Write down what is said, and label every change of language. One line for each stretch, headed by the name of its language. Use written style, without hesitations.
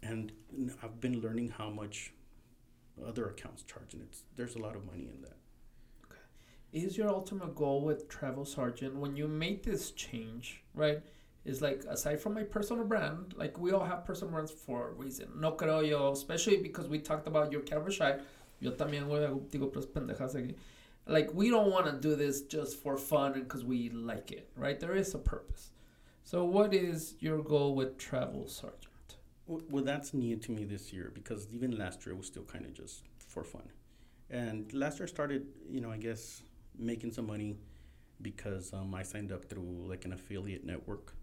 English: And I've been learning how much other accounts charge. And it's, there's a lot of money in that. Is your ultimate goal with Travel Sergeant, when you make this change, right, is like, aside from my personal brand, like, we all have personal brands for a reason.
Spanish: No creo yo,
English: especially because we talked about your camera shy.
Spanish: Yo también digo pues pendejas aquí.
English: Like, we don't want to do this just for fun and because we like it, right? There is a purpose. So what is your goal with Travel Sergeant? Well, that's new to me this year, because even last year it was still kind of just for fun. And last year started, you know, I guess, making some money because I signed up through, like, an affiliate network.